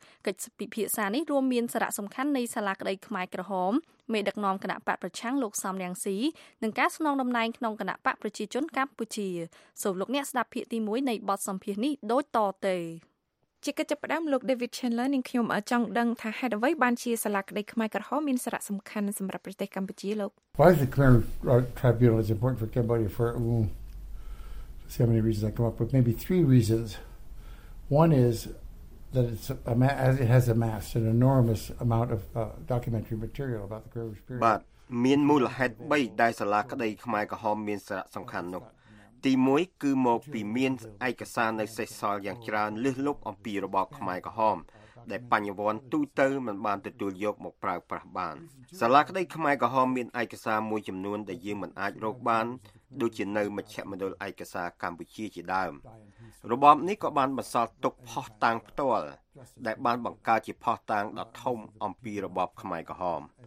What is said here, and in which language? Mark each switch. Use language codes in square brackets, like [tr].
[km] កិច្ចពិភាក្សានេះរួមមានសារៈសំខាន់នៃសាលាក្តីខ្មែរក្រហមមេដឹកនាំគណៈបកប្រឆាំងលោកសំរងស៊ីនិងការស្នងតំណែងក្នុងគណៈបកប្រជាជនកម្ពុជាសូមលោកអ្នកស្ដាប់ភាគទី1នៃបទសម្ភាសនេះដូចតទៅ ជាកិច្ចចាប់ផ្ដើមលោក David Chandler និងខ្ញុំចង់ដឹងថាហេតុអ្វីបានជាសាលាក្តីខ្មែរក្រហមមានសារៈសំខាន់សម្រាប់ប្រទេសកម្ពុជាលោក [en] Why is the Khmer Tribunal is important for Cambodia for so many reasons I come up with maybe 3 reasons. One is that it has amassed an enormous amount of documentary material about the Khmer period. But [km] មានមូលហេតុ3ដែលសាលាក្តីខ្មែរក្រហមមានសារៈសំខាន់នោះ ទីមួយគឺមកពីមានឯកសារនៅសេសសល់យ៉ាងច្រើនលឹះលុបអំពីរបបខ្មែរក្រហមដែលបញ្ញវន្តទូទៅមិនបានទទួលយកមកប្រើប្រាស់បានសាលាក្តីខ្មែរក្រហមមានឯកសារមួយចំនួនដែលយើងមិនអាចរកបានដូចជានៅមជ្ឈមណ្ឌលឯកសារកម្ពុជាជាដើមរបបនេះក៏បានបន្សល់ទុកផុសតាងផ្ទាល់ដែលបានបង្កើតជាផុសតាងដ៏ធំអំពីរបបខ្មែរក្រហម